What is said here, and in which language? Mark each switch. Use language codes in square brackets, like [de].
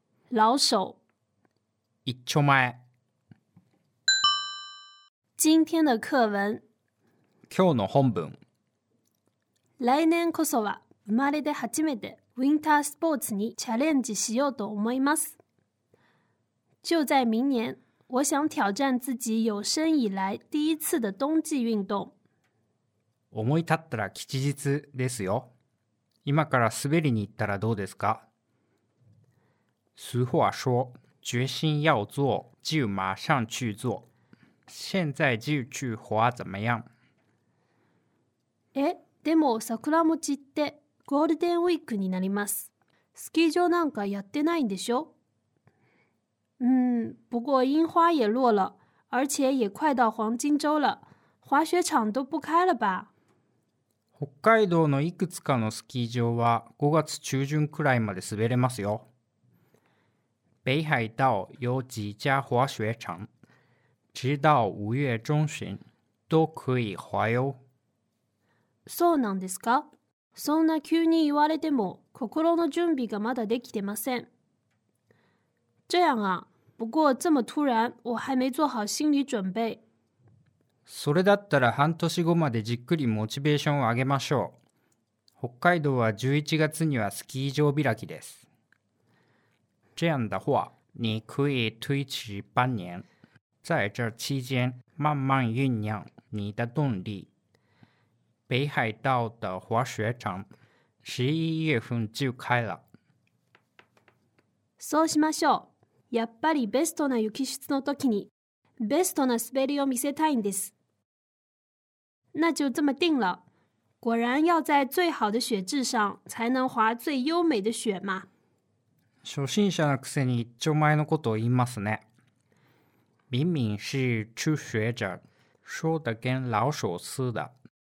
[zh] 老手。 [ja] 一丁前。 [zh] 今天的课文。 [ja] 今日の本文。来年こそは生まれで初めてウィンタースポーツにチャレンジしようと思います。 [zh] 就在明年、我想挑战自己有生以来第一次的冬季运动。 [ja] 思い立ったら吉日ですよ。今から滑りに行ったらどうですか？ [zh] 俗话说、决心要做、就马上去做。现在就去滑怎么样？ [ja] え、でも桜餅ってゴールデンウィークになります。スキー場なんかやってないんでしょ？ [zh] 不过樱花也落了，而且也快到黄金周了，滑雪场都不开了吧？ [ja] 北海道のいくつかのスキー場は5月中旬くらいまで滑れますよ。 [zh] 北海道有几家滑雪场，直到五月中旬都可以滑哟。 [ja] そうなんですか？そんな急に言われても心の準備がまだできてません。 [zh] 这样啊，不过这么突然，我还没做好心理准备。 [ja] それだったら半年後までじっくりモチベーションを上げましょう。北海道は11月にはスキー場開きです。 [zh] 这样的话，你可以推迟半年，在这期间慢慢酝酿你的动力。北海道的滑雪场11月份就开了。 [ja] そうしましょう。やっぱりベストな雪質の時にベストな滑りを見せたいんです。 [zh] 那就这么定了。果然要在最好的雪质上才能滑最优美的雪嘛。 [ja] 初心者のくせに一丁前のことを言いますね。 [zh] 明明是初学者，说的跟老手似的。